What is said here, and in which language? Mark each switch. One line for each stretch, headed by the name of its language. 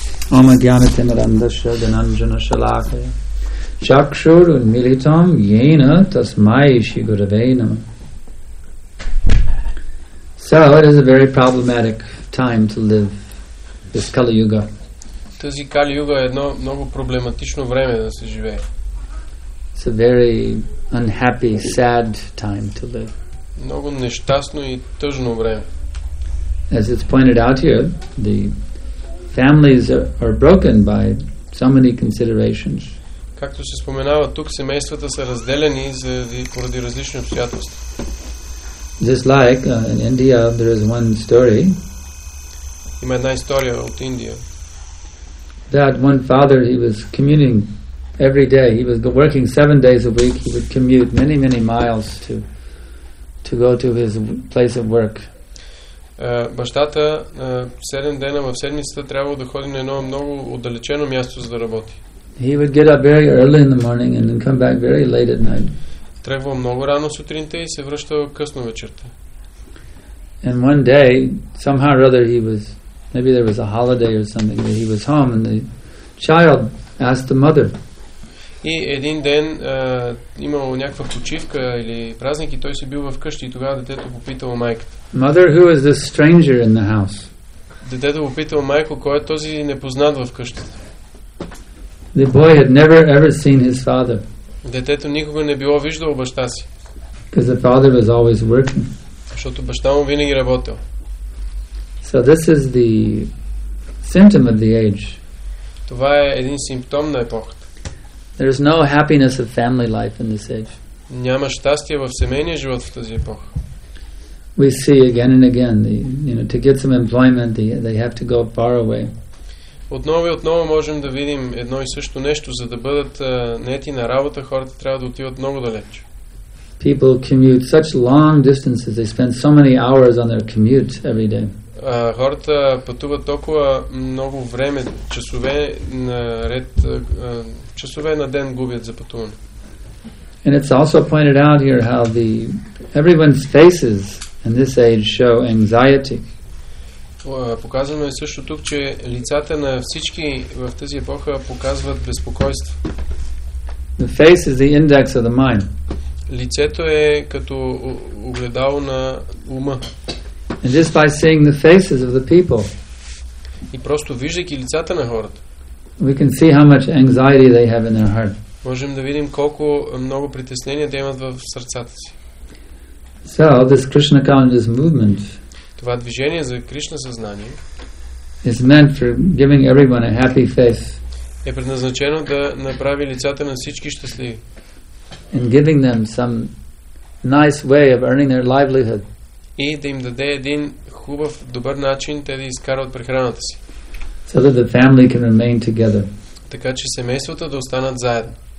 Sanskrit: Om Gyanatim Randasya Dhananjana Shalakaya Chakshur Unmilitam Yena Tasmai Shri Gurave Namah.
English: So it is a very problematic time to live this Kali Yuga.
Bulgarian: Тази Кали Юга е едно много проблематично време да се живее.
English: It's a very unhappy, sad time to live.
Bulgarian: Много нещастно и тъжно време.
English: As it's pointed out here, the families are broken by so many considerations.
Bulgarian: Както се споменава тук, семействата са разделени поради различни обстоятелства.
English: Just like in India, there is one story.
Bulgarian: Има една история от Индия.
English: That one father, he was commuting every day. He was working 7 days a week. He would commute many, many miles to go to his place of work.
Bulgarian: Бащата 7 дена в седмицата трябва да ходи на едно много отдалечено място за да работи.
English: He would get up very early in the morning and then come back very late at night.
Bulgarian: Тръгва много рано сутринта и се връща късно вечерта.
English: And one day, somehow or other, he was, maybe there was a holiday or something, but he was home and the child asked the mother.
Bulgarian: И един ден имало някаква почивка или празник и той си бил вкъщи и тогава детето попитало майката.
English: Mother, who is this stranger in the house?
Bulgarian: Детето попитало майко, кой е този непознат в къщата.
English: The boy had never ever seen his father.
Bulgarian: Детето никога не било виждало баща си.
English: Because the father was always working.
Bulgarian: Защото баща му винаги работил.
English: So this is the symptom of the age.
Bulgarian: Това е един симптом на епохата.
English: There is no happiness of family life in this age.
Bulgarian: Няма щастие в семейния живот в тази епоха.
English: We see again and again, the, you know, to get some employment, they have to go far away.
Bulgarian: Отново и отново можем да видим едно и също нещо, за да бъдат нети на работа, хората трябва да отиват много далеч.
English: People commute such long distances. They spend so many hours on their commute every day.
Bulgarian: Хората пътуват толкова много време, часове на ред, часове на ден губят за пътуване.
English: And it's also pointed out here how the everyone's faces in this age show anxiety.
Bulgarian: Показано е също тук, че лицата на всички в тази епоха показват безпокойство.
English: The face is the index of the mind.
Bulgarian: Лицето е като огледало на ума.
English: And just by seeing the faces of the people,
Bulgarian: и просто виждайки лицата на хората,
English: we can see how much anxiety they have in their heart.
Bulgarian: Можем да видим колко много притеснения те имат в сърцата си.
English: So this Krishna consciousness movement,
Bulgarian: това движение за Кришна съзнание,
English: is meant for giving everyone a happy face.
Bulgarian: Е предназначено да направи лицата на всички щастливи.
English: And giving them some nice way of earning their livelihood.
Bulgarian: И да им даде един хубав, добър начин те да изкарват прехраната си.
English: So that the family can remain together.
Bulgarian: Така че семействата да останат заедно.